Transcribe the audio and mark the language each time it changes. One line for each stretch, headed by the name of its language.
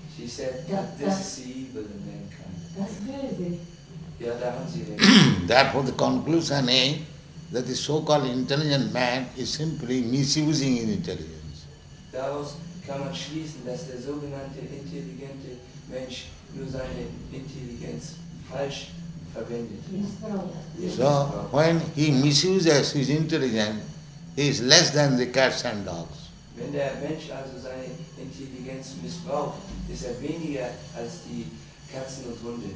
English: She said, this is the evil in mankind.
German: Das Böse. Ja, da haben Sie recht.
English: Therefore, the conclusion is that the so-called intelligent man is simply misusing his intelligence.
German: Daraus kann man schließen, dass der sogenannte intelligente Mensch nur seine Intelligenz falsch verwendet.
English: So, when he misuses his intelligence, he is less than the cats and dogs.
German: Wenn der Mensch also seine Intelligenz missbraucht, ist er weniger als die Katzen und Hunde.